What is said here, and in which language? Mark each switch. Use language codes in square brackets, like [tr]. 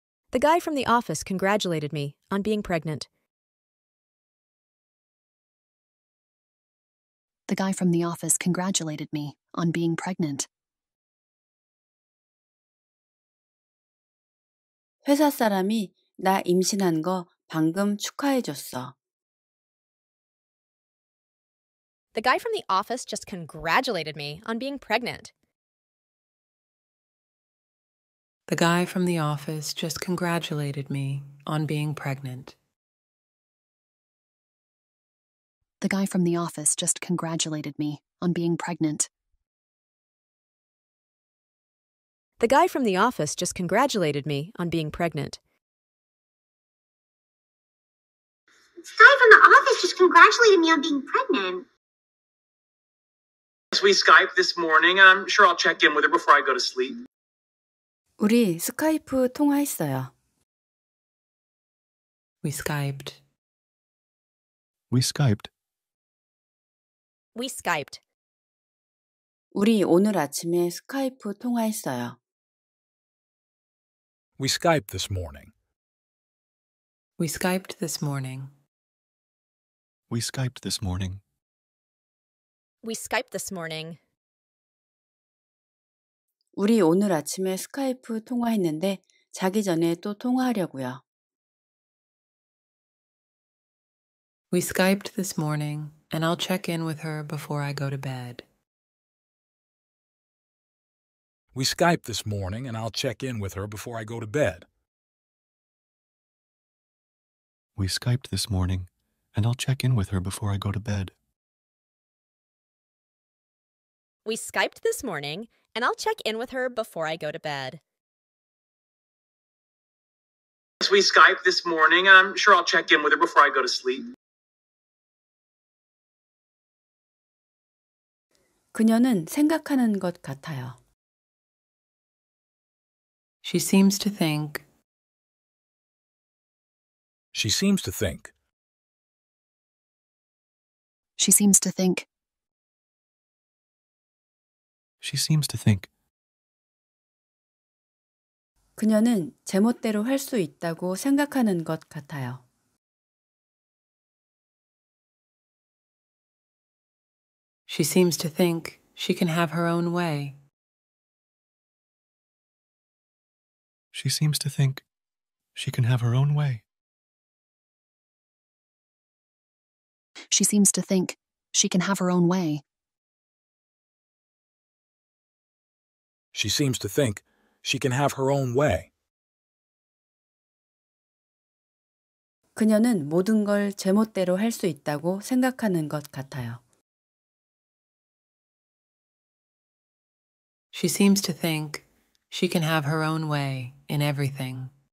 [en] The guy from the office congratulated me on being pregnant. The guy from the office congratulated me on being pregnant. [ko] 회사 사람이 나 임신한 거 방금 축하해 줬어. [en] The guy from the office just congratulated me on being pregnant. The guy from the office just congratulated me on being pregnant. The guy from the office just congratulated me on being pregnant. The guy from the office just congratulated me on being pregnant. The guy from the office just congratulated me on being pregnant. We Skype this morning, and I'm sure I'll check in with her before I go to sleep. [ko] 우리 스카이프 통화했어요. [en] We Skyped. We Skyped. We Skyped. [ko] 우리 오늘 아침에 스카이프 통화했어요. [en] We Skyped this morning. We Skyped this morning. We Skyped this morning. We Skyped this morning. [ko] 우리 오늘 아침에 스카이프 통화했는데 자기 전에 또 통화하려고요. [en] We Skyped this morning, and I'll check in with her before I go to bed. We Skyped this morning, and I'll check in with her before I go to bed. We Skyped this morning, and I'll check in with her before I go to bed. We Skyped this morning, and I'll check in with her before I go to bed. We Skyped this morning, and I'm sure I'll check in with her before I go to sleep. [ko] 그녀는 생각하는 것 같아요. [en] She seems to think. She seems to think. She seems to think. She seems to think. [ko] 그녀는 제멋대로 할 수 있다고 생각하는 것 같아요. [en] She seems to think she can have her own way. She seems to think she can have her own way. She seems to think she can have her own way. She seems to think she can have her own way. [ko] 그녀는 모든 걸 제멋대로 할 수 있다고 생각하는 것 같아요. [en] She seems to think she can have her own way in everything.